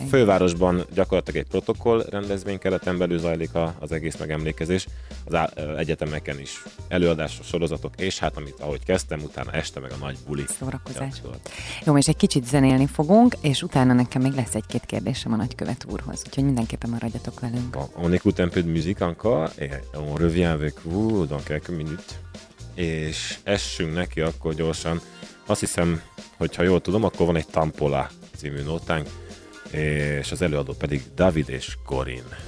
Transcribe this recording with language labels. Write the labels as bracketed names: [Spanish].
[Hungarian] A fővárosban gyakorlatilag egy protokoll rendezvény kereten belül zajlik az egész megemlékezés. Az egyetemeken is előadások, sorozatok, és hát amit, ahogy kezdtem, utána este meg a nagy buli. Szórakozás. Jó, és egy kicsit zenélni fogunk, és utána nekem még lesz egy-két kérdésem a nagykövet úrhoz. Úgyhogy mindenképpen maradjatok velünk. [French] On écoute un peu de musique encore, et on revient avec vous dans quelques minutes. [Hungarian] És essünk neki akkor gyorsan. Azt hiszem, hogyha jól tudom, akkor van egy Tampola című nótánk, és az előadó pedig David és Corin.